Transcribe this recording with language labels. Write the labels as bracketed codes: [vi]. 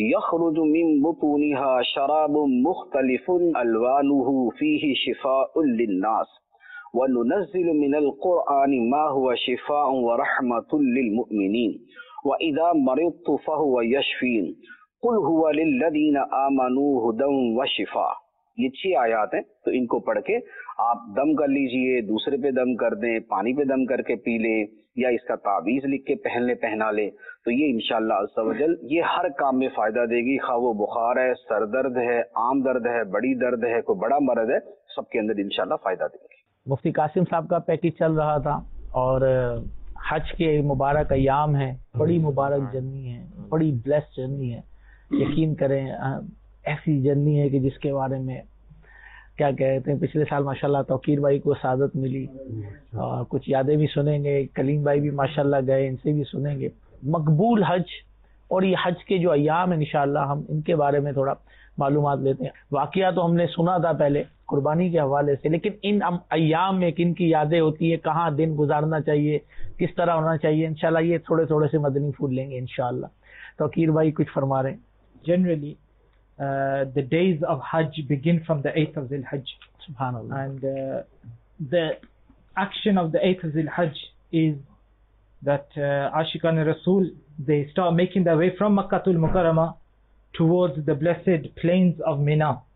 [ar] يخرج من بطونها شراب مختلف ألوانه فيه شفاء للناس وننزل من القرآن ما هو شفاء ورحمة للمؤمنين وإذا مرضت فهو يشفين قل هو للذين آمنوا هدى وشفاء. [hi] ये छह आयात हैं, तो इनको पढ़ के आप दम कर लीजिए, दूसरे पे दम कर दें, पानी पे दम करके पी लें, या इसका तावीज लिख के पहन ले पहना ले, तो ये इंशाल्लाह अज़्ज़ा वजल ये हर काम में फायदा देगी, खा वो बुखार है, सर दर्द है, आम दर्द है, बड़ी दर्द है, कोई बड़ा मर्द है, सबके अंदर इंशाल्लाह फायदा देगी। मुफ्ती कासिम साहब का पैकेज चल रहा था और हज के मुबारक अय्याम है, बड़ी मुबारक जर्नी है, बड़ी [en] blessed journey [hi] है, यकीन करें ऐसी जर्नी है कि जिसके बारे में क्या कहते हैं, पिछले साल माशाल्लाह तौकीर भाई को सादत मिली और कुछ यादें भी सुनेंगे, कलीम भाई भी माशाल्लाह गए, इनसे भी सुनेंगे मकबूल हज और ये हज के जो अय्याम है इंशाल्लाह हम इनके बारे में थोड़ा मालूमात लेते हैं। वाकया तो हमने सुना था पहले कुर्बानी के हवाले से, लेकिन इन अय्याम में किन की यादें होती है, कहाँ दिन गुजारना चाहिए, किस तरह होना चाहिए, इंशाल्लाह ये थोड़े थोड़े से मदनी फूल लेंगे इंशाल्लाह। तौकीर भाई कुछ फरमा रहे हैं। [en] Generally the days of Hajj begin from the 8th of Zilhajj. [ar] Subhanallah. [en] And the action of the 8th of Zilhajj is that Ashikan Rasul, they start making their way from Makkatul Mukarrama towards the blessed plains of Mina.